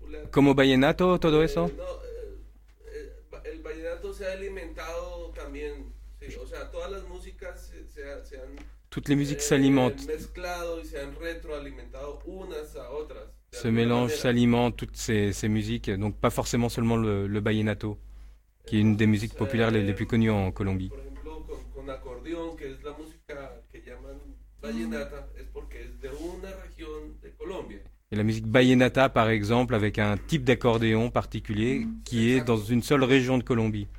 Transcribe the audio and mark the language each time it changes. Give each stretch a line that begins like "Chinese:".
French: Comme au vallenato, tout ça? Non, le vallenato s'est alimenté aussi.
Spanish: O sea, todas las músicas
French: toutes les musiques s'alimentent.
Spanish: Mezclado y se han retroalimentado unas a otras.
French: ce mélange s'alimente, toutes ces musiques, donc pas forcément seulement le vallenato, qui est une des
Spanish: Entonces,
French: musiques populaires les plus connues en Colombie.
Spanish: por ejemplo, con acordeón, que es la música que llaman vallenata, es porque es de una región de Colombia.
French: Et la musique vallenata, par exemple, avec un type d'accordéon particulier qui est dans
Spanish: Exacto.
French: une seule région de Colombie.